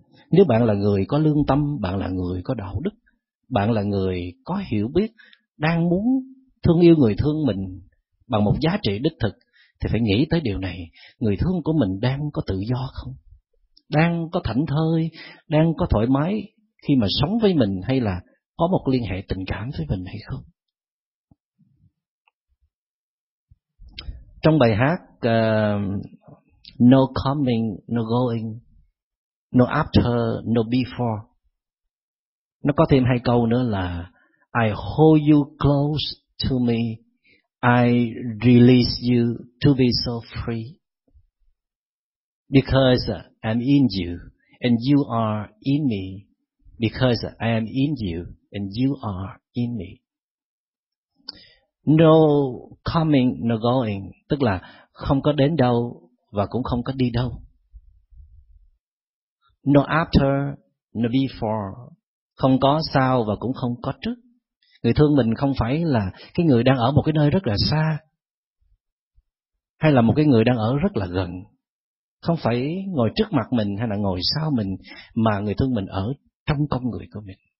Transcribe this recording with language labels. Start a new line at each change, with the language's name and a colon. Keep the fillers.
Vietnamese: nếu bạn là người có lương tâm bạn là người có đạo đức bạn là người có hiểu biết đang muốn thương yêu người thương mình bằng một giá trị đích thực thì phải nghĩ tới điều này người thương của mình đang có tự do không đang có thảnh thơi đang có thoải mái khi mà sống với mình hay là có một liên hệ tình cảm với mình hay không trong bài hát uh,
English: no coming no going no after no before
Vietnamese: nó có thêm hai câu nữa là
English: i hold you close to me I release you to be so free because I am in you and you are in me because I am in you and you are in me. No coming, no going,
Vietnamese: tức là không có đến đâu và cũng không có đi đâu.
English: No after, no before,
Vietnamese: không có sau và cũng không có trước người thương mình không phải là cái người đang ở một cái nơi rất là xa hay là một cái người đang ở rất là gần không phải ngồi trước mặt mình hay là ngồi sau mình mà người thương mình ở trong con người của mình